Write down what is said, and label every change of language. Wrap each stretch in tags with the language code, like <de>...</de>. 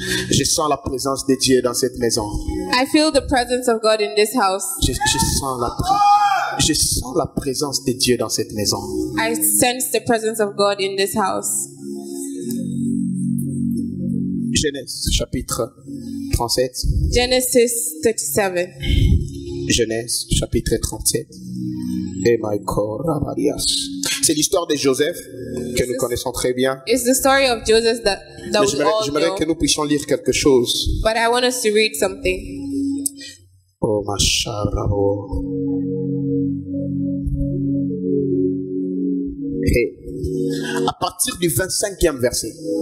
<fr>Je sens la présence de Dieu dans cette maison.</fr> <en>I feel the presence of God in this house.</en> <fr>Je sens la présence de Dieu dans cette maison.</fr> <en>I sense the presence of God in this house.</en> <fr>Genèse chapitre 37.</fr> <en>Genesis 37.</en> <fr>Genèse chapitre 37. Et</fr> <en>my God,</en> <fr>c'est l'histoire de Joseph que nous connaissons très bien.</fr> <en>It's the story of Joseph that we all know.</en> <fr>J'aimerais que nous puissions lire quelque chose.</fr> <en>But I want us to read something.</en> <fr>Oh ma chère. Hey. À partir du 25e verset.</fr>